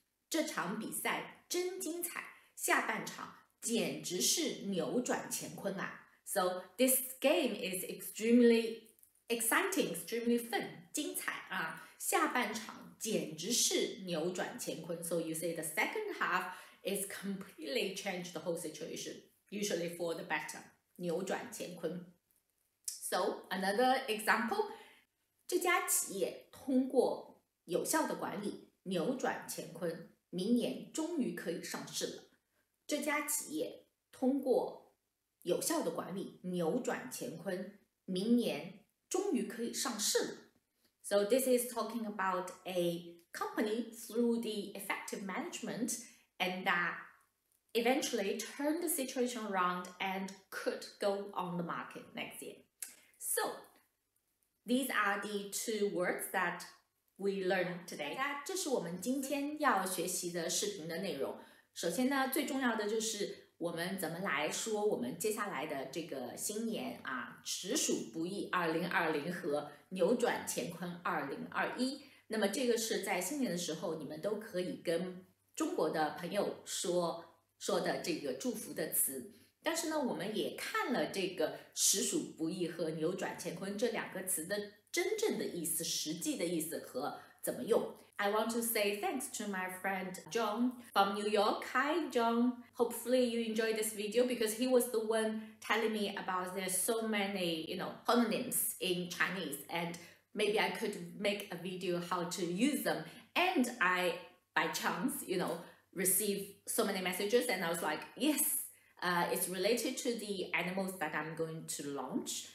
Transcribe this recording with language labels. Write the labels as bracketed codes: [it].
[zh] 这场比赛真精彩，下半场简直是扭转乾坤啊。 [en] So this game is extremely exciting, extremely fun, [zh] 精彩啊。下半场简直是扭转乾坤。 [en] So you say the second half is completely changed the whole situation, usually for the better, [zh] 扭转乾坤。 [en] So, another example, [zh] 这家企业通过有效的管理扭转乾坤，明年终于可以上市了。这家企业通过有效的管理扭转乾坤，明年终于可以上市了。 [en] So, this is talking about a company through the effective management and that eventually turned the situation around and could go on the market next year. So, these are the two words that we learned today. [zh] 大家，这是我们今天要学习的视频的内容。首先呢，最重要的就是我们怎么来说我们接下来的这个新年啊，实属不易2020和扭转乾坤2021。那么这个是在新年的时候，你们都可以跟中国的朋友说的这个祝福的词。但是呢，我们也看了这个实属不易和扭转乾坤这两个词的真正的意思，实际的意思和怎么用。 [en] I want to say thanks to my friend John from New York. Hi John, hopefully you enjoyed this video because he was the one telling me about there's so many, you know, homonyms in Chinese and maybe I could make a video how to use them. And I, by chance, you know, received so many messages and I was like, yes,it's related to the animals that I'm going to launch.